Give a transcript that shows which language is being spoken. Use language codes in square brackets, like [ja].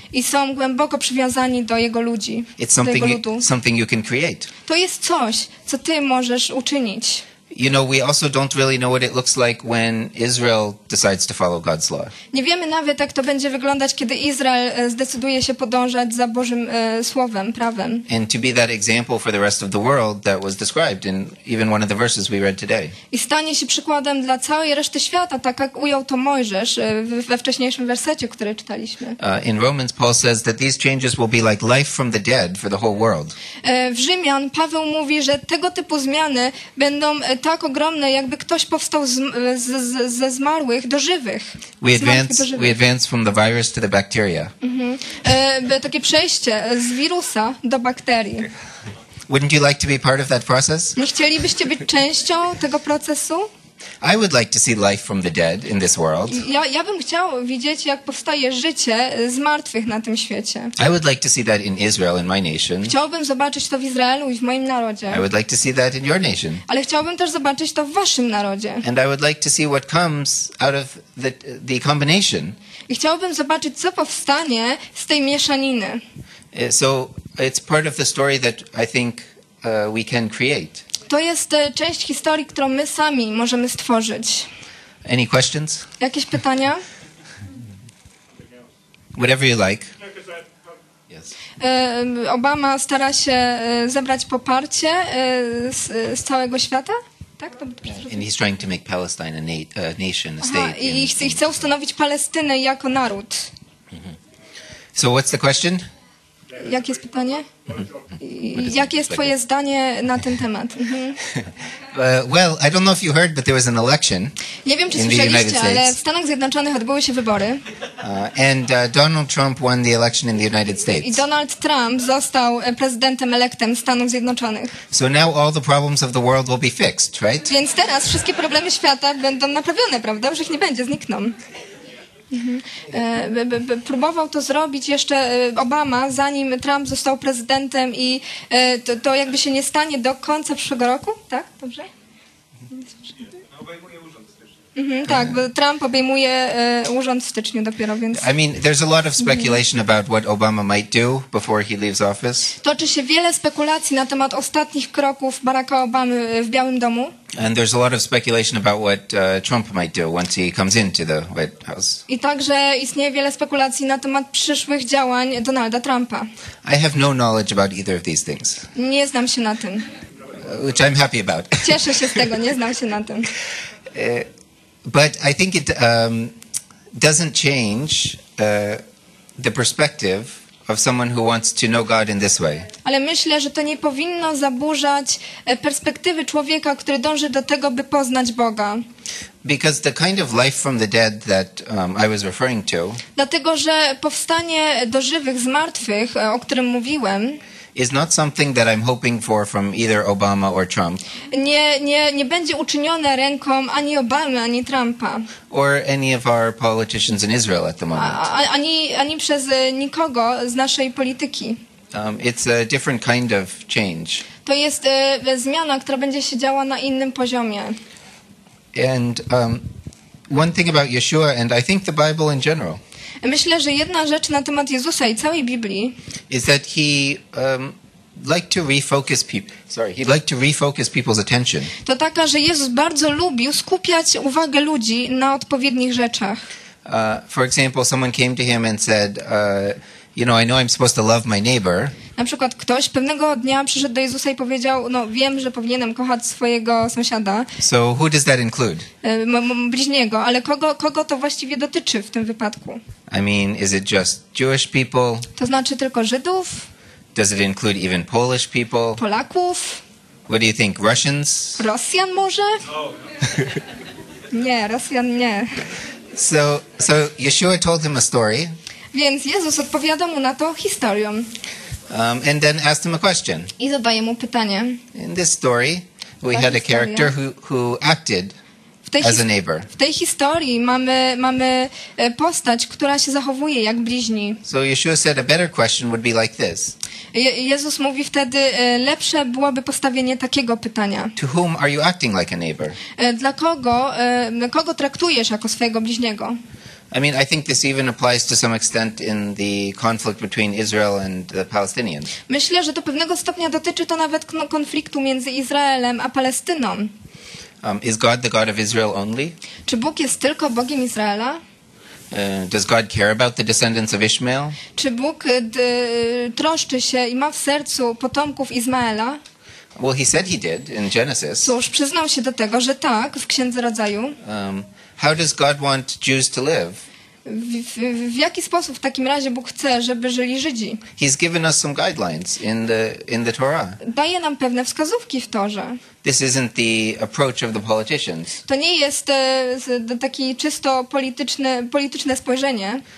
[pl] I są głęboko przywiązani do jego ludzi. [en] It's something, [pl] do jego ludu. [en] Something you can create. [pl] To jest coś, co ty możesz uczynić. [en] You know, we also don't really know what it looks like when Israel decides to follow God's law. [pl] Nie wiemy nawet, jak to będzie wyglądać, kiedy Izrael zdecyduje się podążać za Bożym słowem, prawem. [en] And to be that example for the rest of the world that was described in even one of the verses we read today. [pl] I stanie się przykładem dla całej reszty świata, tak jak ujął to Mojżesz we wcześniejszym wersecie, który czytaliśmy. [en] In Romans, Paul says that these changes will be like life from the dead for the whole world. [pl] W Rzymian Paweł mówi, że tego typu zmiany będą tak ogromne, jakby ktoś powstał ze zmarłych do żywych. [en] We advance from the virus to the bacteria. [pl] Takie przejście z wirusa do bakterii. [en] Wouldn't you like to be part of that process? [pl] Nie chcielibyście być częścią tego procesu? [en] I would like to see life from the dead in this world. [pl] Ja bym chciał widzieć, jak powstaje życie z martwych na tym świecie. [en] I would like to see that in Israel, in my nation. [pl] Chciałbym zobaczyć to w Izraelu i w moim narodzie. [en] I would like to see that in your nation. [pl] Ale chciałbym też zobaczyć to w waszym narodzie. [en] And I would like to see what comes out of the combination. [pl] I chciałbym zobaczyć, co powstanie z tej mieszaniny. [en] So it's part of the story that I think we can create. [pl] To jest część historii, którą my sami możemy stworzyć. [en] Any questions? [pl] Jakieś pytania? [en] Whatever you like. Yes. [pl] Obama stara się zebrać poparcie z całego świata, tak? [en] And he's trying to make Palestine a nation, a state. [pl] I chce ustanowić Palestynę jako naród. [en] So what's the question? [pl] Jakie jest pytanie? Jakie jest twoje zdanie na ten temat? [en] Well, I don't know if you heard, but there was an election. [pl] Nie wiem, czy słyszeliście, ale w Stanach Zjednoczonych odbyły się wybory. [en] Donald Trump won the election in the United States. [pl] I Donald Trump został prezydentem elektem Stanów Zjednoczonych. [en] So now all the problems of the world will be fixed, right? [pl] Więc teraz wszystkie problemy świata będą naprawione, prawda? Już ich nie będzie, znikną. Próbował to zrobić jeszcze Obama, zanim Trump został prezydentem i to jakby się nie stanie do końca przyszłego roku, tak? Dobrze? Mm-hmm, tak, bo Trump obejmuje urząd w styczniu dopiero, więc... [en] I mean, there's a lot of speculation about what Obama might do before he leaves office. [pl] Toczy się wiele spekulacji na temat ostatnich kroków Baracka Obamy w Białym Domu. [en] And there's a lot of speculation about what Trump might do once he comes into the White House. [pl] I także istnieje wiele spekulacji na temat przyszłych działań Donalda Trumpa. [en] I have no knowledge about either of these things. [pl] Nie znam się na tym. [en] Which I'm happy about. [pl] Cieszę się z tego, nie znam się na tym. [en] But I think it doesn't change the perspective of someone who wants to know God in this way. [pl] Ale myślę, że to nie powinno zaburzać perspektywy człowieka, który dąży do tego, by poznać Boga. [en] Because the kind of life from the dead that I was referring to. [pl] Dlatego, że powstanie do żywych z martwych, o którym mówiłem, [en] is not something that I'm hoping for from either Obama or Trump. [pl] Nie będzie uczynione ręką ani Obamy, ani Trumpa. [en] Or any of our politicians in Israel at the moment. [pl] Ani przez nikogo z naszej polityki. [en] It's a different kind of change. [pl] To jest zmiana, która będzie się działa na innym poziomie. [en] And one thing about Yeshua and I think the Bible in general. [pl] Myślę, że jedna rzecz na temat Jezusa i całej Biblii. [en] Is that he liked to refocus he liked to refocus people's attention. [pl] To taka, że Jezus bardzo lubił skupiać uwagę ludzi na odpowiednich rzeczach. [en] For example, someone came to him and said, you know I'm supposed to love my neighbor. [pl] Na przykład ktoś pewnego dnia przyszedł do Jezusa i powiedział, no wiem, że powinienem kochać swojego sąsiada. [en] So who does that include? [pl] Bliźniego, ale kogo to właściwie dotyczy w tym wypadku? [en] I mean, is it just Jewish people? [pl] To znaczy tylko Żydów? [en] Does it include even Polish people? [pl] Polaków? [en] What do you think, Russians? [pl] Rosjan może? [en] No. [pl] Nie, Rosjan nie. [en] So Yeshua told him a story. [pl] Więc Jezus odpowiada mu na to historią. [en] And then asked him a question. [pl] I zadaje mu pytanie. [en] In this story, we had a character who acted as a neighbor. [pl] W tej historii mamy postać, która się zachowuje jak bliźni. [en] So Yeshua said a better question would be like this. [pl] Jezus mówi wtedy, lepsze byłoby postawienie takiego pytania. [en] To whom are you acting like a neighbor? [pl] Dla kogo, kogo traktujesz jako swojego bliźniego? [en] I mean, I think this even applies to some extent in the conflict between Israel and the Palestinians. [pl] Myślę, że do pewnego stopnia dotyczy to nawet konfliktu między Izraelem a Palestyną. [en] Is God the God of Israel only? [pl] Czy Bóg jest tylko Bogiem Izraela? [en] Does God care about the descendants of Ishmael? [pl] Czy Bóg troszczy się i ma w sercu potomków Izmaela? [en] Well, he said he did in Genesis. [pl] Cóż, przyznał się do tego, że tak, w Księdze Rodzaju. [en] How does God want Jews to live? [pl] W jaki sposób w takim razie Bóg chce, żeby żyli Żydzi? [en] He's given us some guidelines in the Torah. [pl] Daje nam pewne wskazówki w Torze. [en] This isn't the approach of the politicians. [pl] To nie jest taki czysto polityczne spojrzenie.